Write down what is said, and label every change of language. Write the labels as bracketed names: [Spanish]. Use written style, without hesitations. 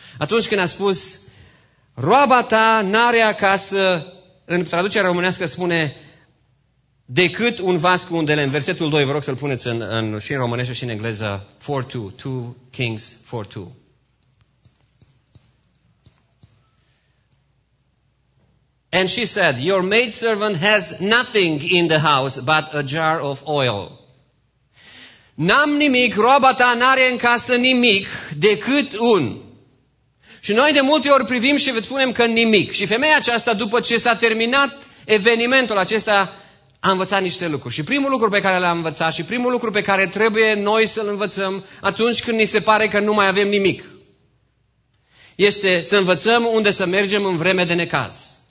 [Romanian] Atunci când a spus, roaba ta n-are acasă, în traducerea românească spune, decât un vas cu undele. În versetul 2, vă rog să-l puneți și în românește și în engleză, 4-2, 2 Kings 4-2. [English] And she said, your maidservant has nothing in the house but a jar of oil. [Romanian] N-am nimic, roaba ta n-are în casă nimic decât un. Și noi de multe ori privim și spunem că nimic. Și femeia aceasta, după ce s-a terminat evenimentul acesta, a învățat niște lucruri. Și primul lucru pe care l-a învățat și primul lucru pe care trebuie noi să-l învățăm atunci când ni se pare că nu mai avem nimic, este să învățăm unde să mergem în vreme de necaz.